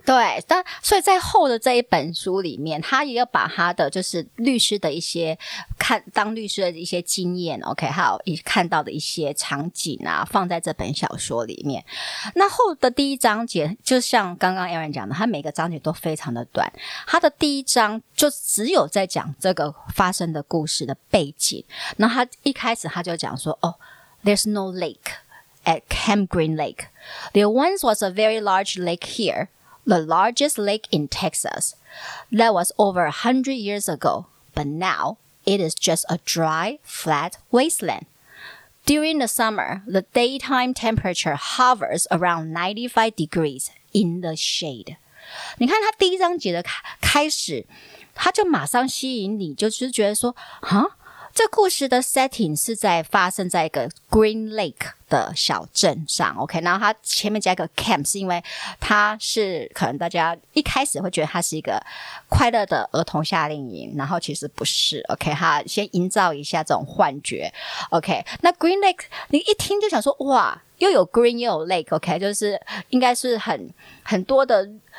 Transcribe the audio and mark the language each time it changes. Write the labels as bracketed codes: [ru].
[zh] 对，但所以在后的这一本书里面，他也要把他的就是律师的一些看当律师的一些经验， OK， 好，看到的一些场景啊，放在这本小说里面。那后的第一章节就像刚刚 Aaron 讲的，他每个章节都非常的短，他的第一章就只有在讲这个发生的故事的背景。那他一开始他就讲说，哦， [en] There's no lake at Camp Green Lake. There once was a very large lake here, the largest lake in Texas. That was over 100 years ago, but now it is just a dry, flat wasteland. During the summer, the daytime temperature hovers around 95 degrees in the shade. [zh] 你看他第一章节的开始，他就马上吸引你，就是觉得说，啊，这故事的 setting 是在发生在一个 Green Lake 的小镇上， OK， 然后他前面加一个 camp 是因为他是可能大家一开始会觉得他是一个快乐的儿童夏令营，然后其实不是， OK， 他先营造一下这种幻觉， OK， 那 Green Lake 你一听就想说，哇，又有 green 又有 lake， OK， 就是应该是很多的